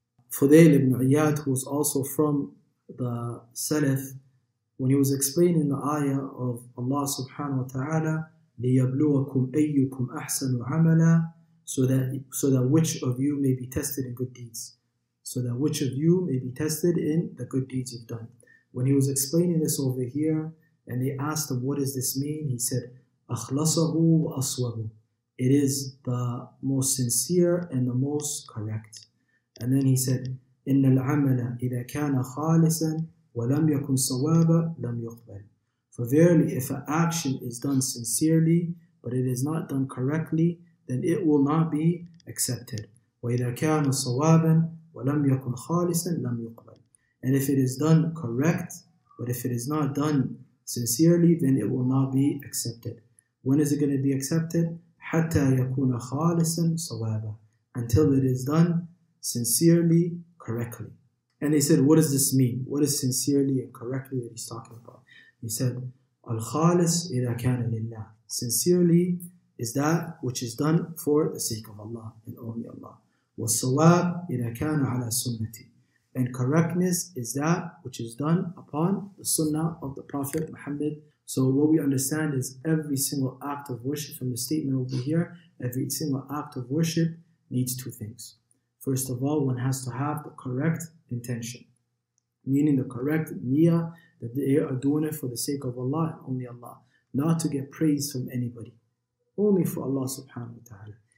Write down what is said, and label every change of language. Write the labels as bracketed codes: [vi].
[en] Fudayl ibn Iyad, who was also from the Salaf, when he was explaining the ayah of Allah subhanahu wa ta'ala, [ar] لِيَبْلُوَكُمْ أَيُّكُمْ أَحْسَنُ عَمَلًا, [en] so that which of you may be tested in good deeds. So that which of you may be tested in the good deeds you've done. When he was explaining this over here, and they asked him, what does this mean? He said, [ar] أَخْلَصَهُ وَأَصْوَبُ. [en] It is the most sincere and the most correct. And then he said, [ar] إِنَّ الْعَمَلَ إِذَا كَانَ خَالِسًا وَلَمْ يَكُنْ صَوَابًا لَمْ يُقْبَلُ. [en] For verily, if an action is done sincerely, but it is not done correctly, then it will not be accepted. [ar] وَإِذَا كَانَ صَوَابًا وَلَمْ يَكُنْ خَالِسًا لَمْ يُقْبَلُ. [en] And if it is done correct, but if it is not done sincerely, then it will not be accepted. When is it going to be accepted? [ar] حَتَّى يَكُونَ خَالِسًا صَوَابًا. [en] Until it is done sincerely, correctly. And they said, what does this mean? What is sincerely and correctly that he's talking about? He said, [ar] الخالص إذا كان لله. [en] Sincerely is that which is done for the sake of Allah and only Allah. [ar] والصواب إذا كان على سنتي. [en] And correctness is that which is done upon the sunnah of the Prophet Muhammad. So what we understand is every single act of worship from the statement over here, every single act of worship needs two things. First of all, one has to have the correct intention, meaning the correct niyyah, that they are doing it for the sake of Allah and only Allah, not to get praise from anybody, only for Allah subhanahu wa ta'ala.